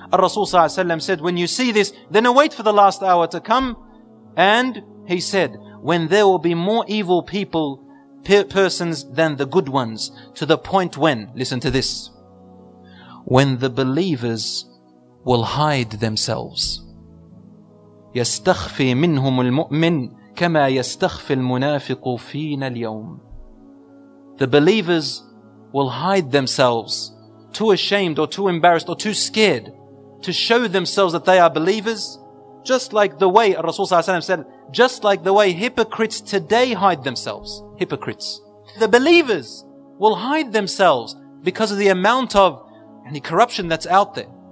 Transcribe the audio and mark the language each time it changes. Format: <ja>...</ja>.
<en>Rasul sallallahu alaihi wasallam said, when you see this, then await for the last hour to come. And he said, when there will be more evil people persons than the good ones, to the point when, listen to this, when the believers will hide themselves.</en> <ar>يستخفي منهم المؤمن كما يستخفي المنافق فينا اليوم.</ar> <en>The believers will hide themselves, too ashamed or too embarrassed or too scared to show themselves that they are believers, just like the way Rasul Sallallahu Alaihi Wasallam said, just like the way hypocrites today hide themselves. Hypocrites. The believers will hide themselves because of the amount of any corruption that's out there.</en>